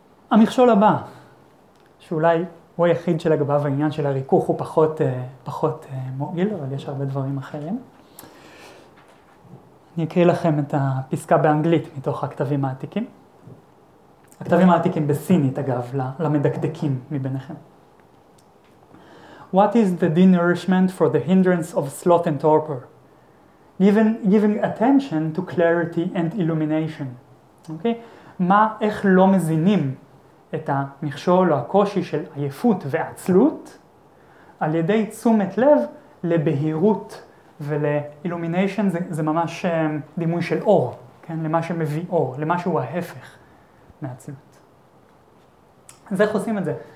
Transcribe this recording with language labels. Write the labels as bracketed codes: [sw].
[he] המכשול הבא, שאולי הוא היחיד שלגביו העניין של הריכוך הוא פחות מועיל, אבל יש הרבה דברים אחרים. אני אקריא לכם את הפסקה באנגלית מתוך הכתבים העתיקים. הכתבים העתיקים בסינית, אגב, למדקדקים מביניכם. [en] What is the denourishment for the hindrance of sloth and torpor? giving attention to clarity and illumination. Okay? [he] מה, איך לא מזינים את המכשול או הקושי של עייפות ועצלות, על ידי תשומת לב לבהירות ולאילומיניישן, זה ממש דימוי של אור, כן? למה שמביא אור, למה שהוא ההפך מעצלות. אז איך עושים את זה?